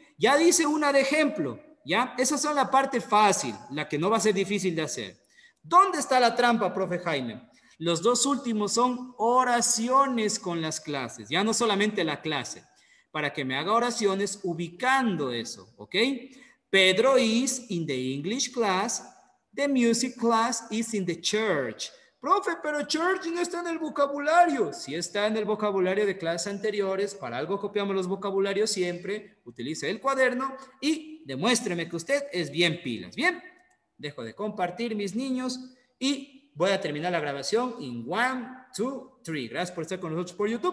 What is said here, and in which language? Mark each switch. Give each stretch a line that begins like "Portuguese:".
Spanish: Ya dice una de ejemplo, ¿ya? Esas son la parte fácil, la que no va a ser difícil de hacer. ¿Dónde está la trampa, profe Jaime? Los dos últimos son oraciones con las clases, ya no solamente la clase, para que me haga oraciones ubicando eso, ¿ok?
English: Pedro is in the English class, the music class is in the church.
Spanish: Profe, pero church no está en el vocabulario. Sí está en el vocabulario de clases anteriores, para algo copiamos los vocabularios siempre, utilice el cuaderno y demuéstreme que usted es bien pilas. Bien, dejo de compartir, mis niños, y voy a terminar la grabación en 1, 2, 3. Gracias por estar con nosotros por YouTube.